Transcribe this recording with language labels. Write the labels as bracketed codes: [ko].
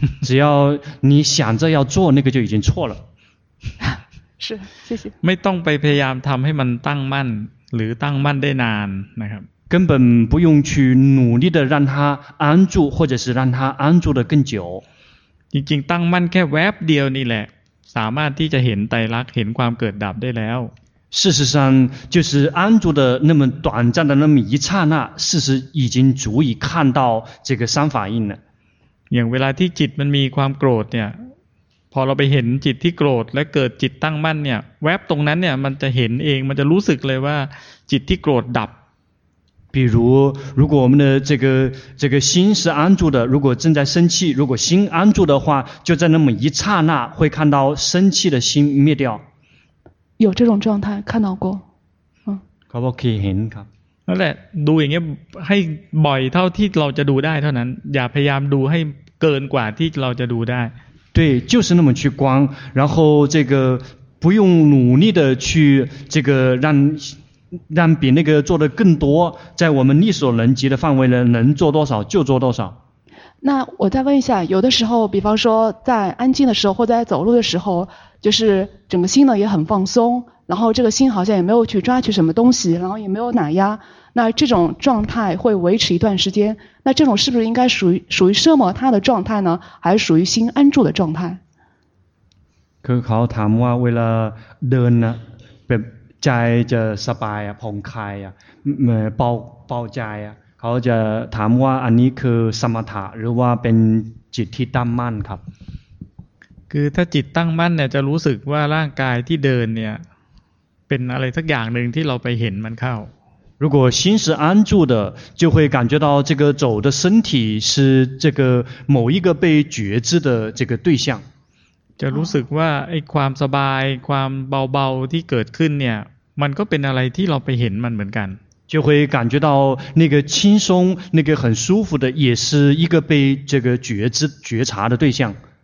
[zh] 只要你想着要做那个就已经错了是谢谢 [th] ไม่ต้องไปพยายามทำให้มันตั้งมั่นหรือตั้งมั่นได้นานนะครับ [zh] 根本不用去努力的让他安住或者是让他安住的更久 [th] จริงๆตั้งมั่นแค่แวบเดียวนี่แหละสามารถที่จะเห็นไตรลักษณ์เห็นความเกิดดับได้แล้ว [zh] 事实上就是安住的那么短暂的那么一刹那，事实已经足以看到这个三法印了。 [th] อย่างเวลาที่จิตมันมีความโกรธเนี่ยพอเราไปเห็นจิตที่โกรธและเกิดจิตตั้งมั่นเนี่ยแวบตรงนั้นเนี่ยมันจะเห็นเองมันจะรู้สึกเลยว่าจิตที่โกรธดับ [zh] 比如如果我们的这个心是安住的，如果正在生气，如果心安住的话，就在那么一刹那会看到生气的心灭掉。有这种状态看到过， [th] เขาบอกคือเห็นครับ นั่นแหละดูอย่างเงี้ยให้บ่อยเท่าที่เราจะดูได้เท่านั้นอย่าพยายามดูให้เกินกว่าที่เราจะดูได้ [zh] 对就是那么去观然后这个不用努力的去这个让比那个做的更多在我们力所能及的范围内能做多少就做多少那我再问一下有的时候比方说在安静的时候或者在走路的时候就是整个心呢也很放松然后这个心好像也没有去抓取什么东西然后也没有哪压那这种状态会维持一段时间那这种是不是应该属于奢摩他的状态呢还是属于心安住的状态 [th] คือเขาถามว่าเวลาเดินนะแบบใจจะสบายอ่ะผ่องคลายอ่ะเบาเบาใจอ่ะเขาจะถามว่าอันนี้คือสมถะหรือว่าเป็นจิตที่ตั้งมั่นครับ คือถ้าจิตตั้งมั่นเนี่ยจะรู้สึกว่าร่างกายที่เดินเนี่ยเป็นอะไรสักอย่างหนึ่งที่เราไปเห็นมันเข้า [zh] 如果心是安住的就会感觉到这个走的身体是这个某一个被觉知的这个对象 [th] จะรู้สึกว่าไอ้ความสบายความเบาๆที่เกิดขึ้นเนี่ยมันก็เป็นอะไรที่เราไปเห็นมันเหมือนกัน [zh] 就会感觉到那个轻松那个很舒服的也是一个被这个觉知觉察的对象